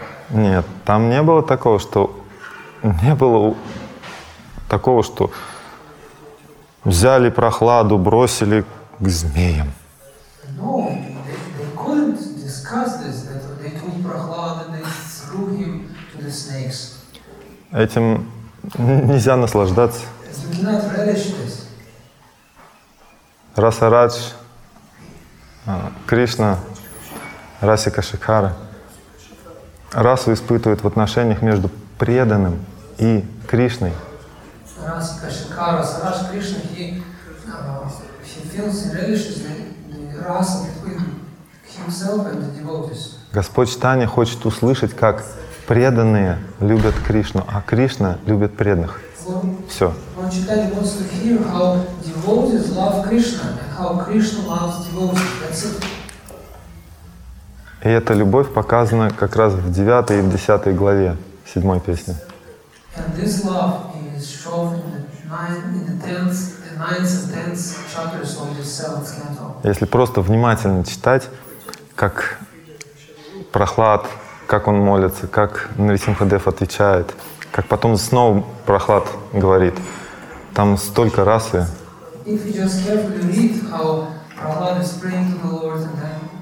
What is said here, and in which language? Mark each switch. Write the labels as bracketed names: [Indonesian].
[Russian] Нет, там не было такого, что не было такого, что взяли Прохладу, бросили к змеям. [English] No, they couldn't discuss this, that they took Prahlad and they threw him to the snakes. [Russian] Этим нельзя наслаждаться. [English] You cannot relish this. [Russian] Расарадж, Кришна, Расика Шикхара. Расу испытывает в отношениях между преданным и Кришной. [English] Расика Шикхара, Сараш Кришна, he feels and relishes the rasa between himself and the devotees. [Russian] Господь Чайтанья хочет услышать, как преданные любят Кришну, а Кришна любит преданных. Все. [English] Господь Чайтанья wants to hear how devotees love Krishna and how Krishna loves devotees. That's it. [Russian] И эта любовь показана как раз в 9 и 10 главе 7 песни. [English] And this love is shown in the 9th and 10th chapters of the 7th canto. [Russian] Если просто внимательно читать, как Прохлад, как он молится, как Нарисимхадев отвечает, как потом снова Прохлад говорит, там столько расы. [English] If you just carefully read how Prahlad is praying to the Lord and then